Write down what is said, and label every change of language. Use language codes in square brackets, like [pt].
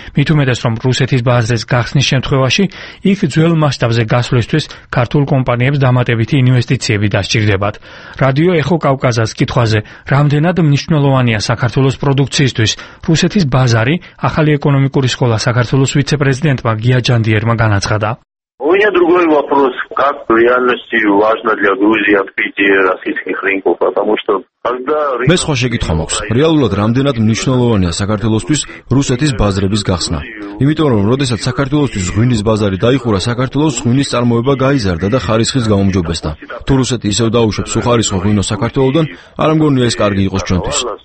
[ka] მითუმეტეს, რომ რუსეთის ბაზრის გახსნის შემთხვევაში იქ ძველ მასშტაბზე გასვლისთვის ქართულ კომპანიებს დამატებითი ინვესტიციები დასჭირდებათ. რადიო ეხო კავკაზას კითხვაზე, რამდენად მნიშვნელოვანია საქართველოს პროდუქციისთვის რუსეთის ბაზარი, ახალი ეკონომიკური სკოლა საქართველოს ვიცე-პრეზიდენტმა გია ჯანდიერმა განაცხადა. [ru] У меня другой вопрос, как в реальности важно для Грузии открытие российских рынков, потому что [ka] მე სხვა შეკითხვა მაქვს. რეალურად რამდენად მნიშვნელოვანია საქართველოსთვის რუსეთის ბაზრების გახსნა? იმიტომ რომ როდესაც საქართველოსთვის ღვინის ბაზარი დაიხურა, საქართველოს ღვინის წარმოება გაიზარდა და ხარისხის გაუმჯობესდა. თუ რუსეთი ისევ დაუშვებს უხარისხო ღვინო საქართველოდან, არ ამგონია ეს კარგი იყოს ჩვენთვის.